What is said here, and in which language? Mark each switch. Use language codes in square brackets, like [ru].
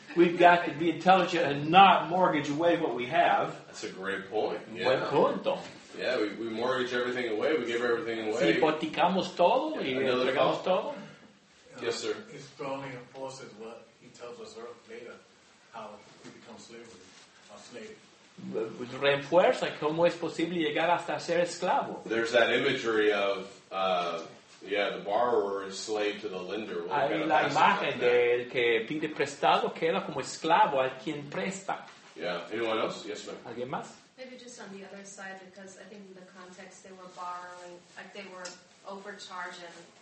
[en] We've got to be intelligent and not mortgage away what we have. That's a great point. Yeah. [es] Buen punto. [en] Yeah, we mortgage everything away. We give everything away. [es] Si hipotecamos todo y entregamos todo. [en] Yes, sir. It's probably opposite what he tells us later, how we become slavery, a slave. [es] Reinfuerza cómo es posible llegar hasta ser esclavo. [en] There's that imagery of the borrower is slave to the lender. [es] Hay la imagen del que pide prestado queda como esclavo al quien presta. [en] Yeah. Anyone else? Yes, ma'am. [es] ¿Alguien más? [en] Maybe just on the other side, because I think in the context they were borrowing, like they were overcharging.